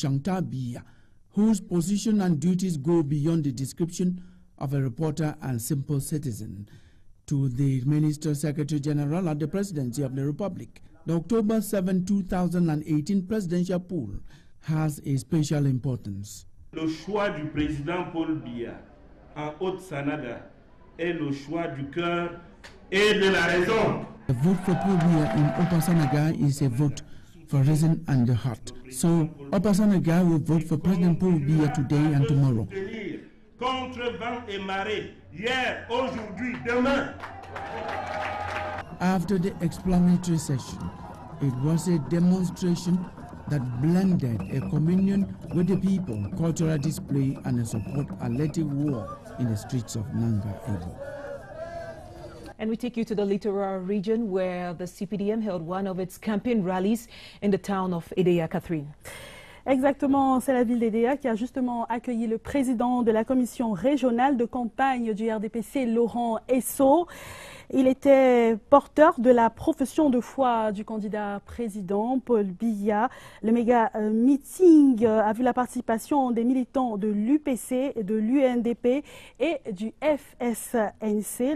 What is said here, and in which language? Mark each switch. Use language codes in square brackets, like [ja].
[en] Shanta Biya, whose position and duties go beyond the description of a reporter and simple citizen. To the Minister Secretary General at the Presidency of the Republic, the October 7, 2018 presidential poll has a special importance. [fr] Le choix du président Paul Biya en Haute-Sanaga est le choix du cœur et de la raison. [en] The vote for Paul Biya in Upper Sanaga is a vote for reason and the heart. So Upper Sanaga will vote for President Paul Biya today and tomorrow. [fr] Contre vent et marée, hier, aujourd'hui, demain. [en] After the explanatory session, it was a demonstration that blended a communion with the people, cultural display, and a support athletic war in the streets of Nanga Ebo. And we take you to the littoral region where the CPDM held one of its campaign rallies in the town of Edea, Catherine. [fr] Exactement, c'est la ville d'Edea qui a justement accueilli le président de la commission régionale de campagne du RDPC, Laurent Esso. Il était porteur de la profession de foi du candidat président, Paul Biya. Le méga meeting a vu la participation des militants de l'UPC, de l'UNDP et du FSNC.